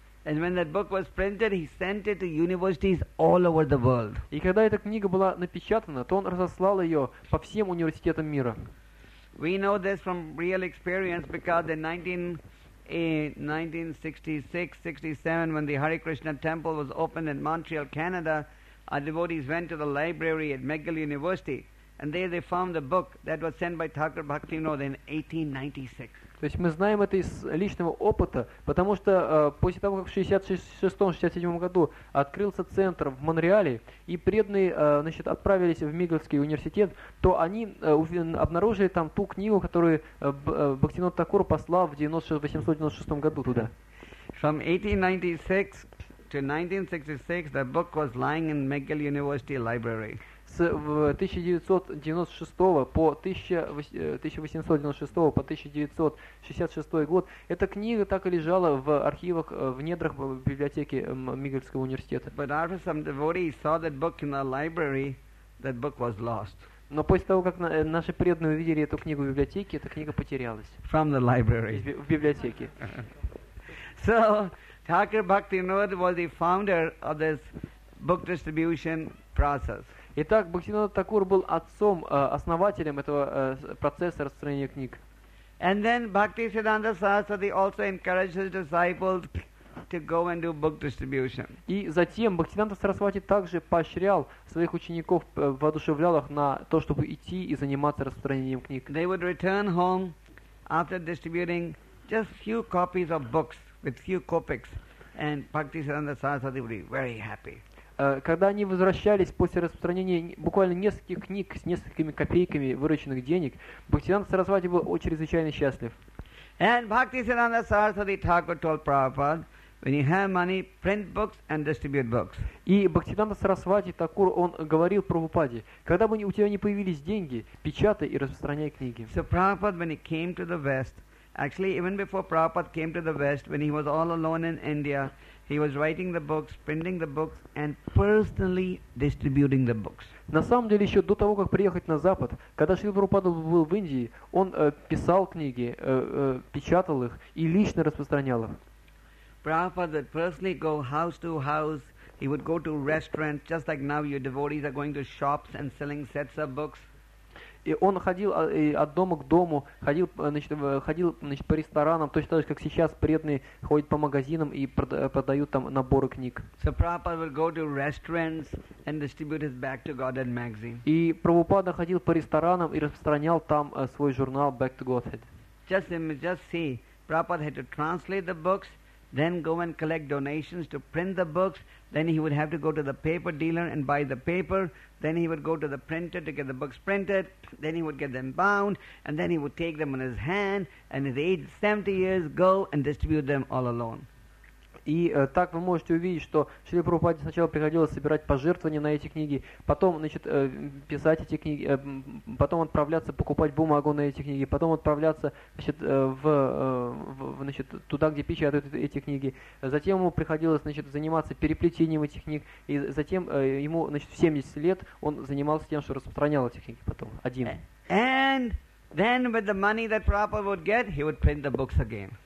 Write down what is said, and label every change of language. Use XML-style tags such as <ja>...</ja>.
<en>And when that book was printed, he sent it to universities all over the world.</en> <ru>И когда эта книга была напечатана, то он разослал ее по всем университетам мира.</ru> <en>We know this from real experience because in 1966-67, when the Hare Krishna Temple was opened in Montreal, Canada, our devotees went to the library at McGill University, and there they found the book that was sent by Thakur Bhaktivinoda in 1896.</en> <ru>То есть мы знаем это из личного опыта, потому что после того, как в 66-67 году открылся центр в Монреале, и преданные отправились в Мигельский университет, то они обнаружили там ту книгу, которую Бхактинот Такур послал в 1896 году туда.</ru> <en>From 1896 to 1966, the book was lying in McGill University library.</en> <ru>С 1996 по 1896 по 1966 год эта книга так и лежала в архивах в недрах библиотеки Мигельского университета.</ru> <en>But after some devotees saw that book in the library, that book was lost.</en> <ru>Но после того, как наши преданные увидели эту книгу в библиотеке, эта книга потерялась.</ru> <en>From the library.</en> <ru>В библиотеке.</ru> <en>So, Thakur Bhaktivinoda was the founder of this book distribution process.</en> <ru>Итак, Бхактивинода Такур был отцом, основателем этого процесса распространения книг.</ru> <en>And then Bhaktisiddhanta Saraswati also encouraged his disciples to go and do book distribution.</en> <ru>И затем Бхактисиддханта Сарасвати также поощрял своих учеников, воодушевлял их на то, чтобы идти и заниматься распространением книг.</ru> <en>They would return home after distributing just few copies of books with few copics, and Bhaktisiddhanta Saraswati would be very happy.</en> <ru>Когда они возвращались после распространения буквально нескольких книг с несколькими копейками вырученных денег, Бхактисиддханта Сарасвати был чрезвычайно счастлив.</ru> <en>And Bhaktisiddhanta Saraswati Thakur told Prabhupada, when you have money, print books and distribute books.</en> <ru>И Бхактисиддханта Сарасвати Такур, он говорил Прабхупаде, когда бы у тебя не появились деньги, печатай и распространяй книги.</ru> <en>So Prabhupada, when he came to the West, actually, even before Prabhupada came to the West, when he was all alone in India, he was writing the books, printing the books, and personally distributing the books.</en> <ru>На самом деле, еще до того, как приехать на Запад, когда Шрила Прабхупада был в Индии, он писал книги, печатал их и лично распространял их.</ru> <en>Prabhupada would personally go house to house. He would go to restaurants, just like now your devotees are going to shops and selling sets of books.</en> <ru>И он ходил от дома к дому, ходил, значит, по ресторанам, точно так же, как сейчас преданные ходят по магазинам и продают там наборы книг.</ru> <en>So Prabhupada would go to restaurants and distribute his Back to Godhead magazine.</en> <ru>И Прабхупада ходил по ресторанам и распространял там свой журнал Back to Godhead.</ru> <en>Just see, Prabhupada had to translate the books, then go and collect donations to print the books, then he would have to go to the paper dealer and buy the paper, then he would go to the printer to get the books printed, then he would get them bound, and then he would take them in his hand, and at the age of 70 years, go and distribute them all alone.</en> <ru>И так вы можете увидеть, что Шри Прабхупаде сначала приходилось собирать пожертвования на эти книги, потом, значит, писать эти книги, потом отправляться покупать бумагу на эти книги, потом отправляться, значит, туда, где печатают эти книги. Затем ему приходилось, значит, заниматься переплетением этих книг, и затем ему, значит, в 70 лет он занимался тем, что распространял эти книги потом, один.</ru> <en>And then with the money that Prabhupada would get, he would print the books again.</en>